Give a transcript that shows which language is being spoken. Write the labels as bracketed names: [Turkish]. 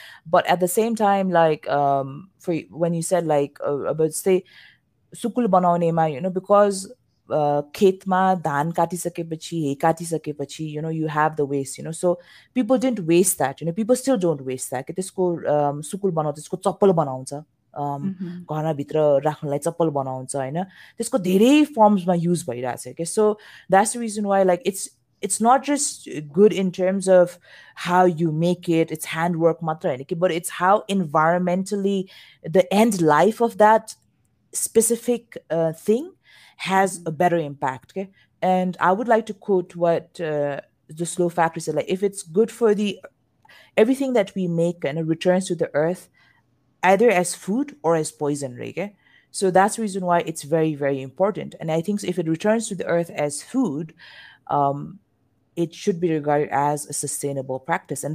[English] But at the same time, like for when you said like about say [Nepali] sukul banaune ma, [English] you know, because [Nepali] khetma dhan katisakepachi he katisakepachi, [English] you know, you have the waste, you know, so people didn't waste that, you know, people still don't waste that. [Nepali] Kitesko sukul banaunchha, tesko chappal banauncha, घरभित्र राख्नलाई चप्पल बनाउँछ होइन त्यसको धेरै फर्म्समा use भइरहेको छ क्या [English] so that's the reason why like it's not just good in terms of how you make it's hand work [Nepali] मात्र होइन कि [English] But it's how environmentally the end life of that specific thing has a better impact, okay? And I would like to quote what the slow factory said, like, if it's good for the everything that we make and it returns to the earth either as food or as poison, right? Okay? So that's the reason why it's very, very important. And I think if it returns to the earth as food, it should be regarded as a sustainable practice.